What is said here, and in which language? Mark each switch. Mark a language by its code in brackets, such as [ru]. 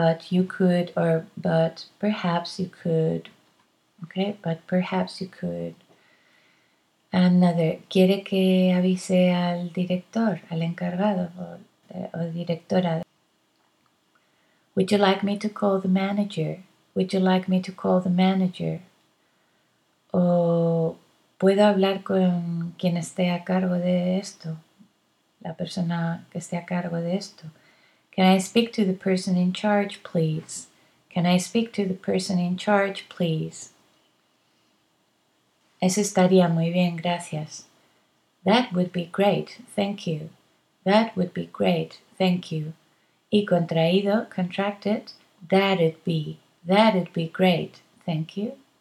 [en] But perhaps you could. Okay, but perhaps you could. [es] Another, ¿quiere que avise al director, al encargado o directora? [en] Would you like me to call the manager? Would you like me to call the manager? [es] O puedo hablar con quien esté a cargo de esto, la persona que esté a cargo de esto. [en] Can I speak to the person in charge, please? Can I speak to the person in charge, please? Eso estaría muy bien, gracias. That would be great, thank you. That would be great, thank you. Y contraído, contracted, that'd be great, thank you.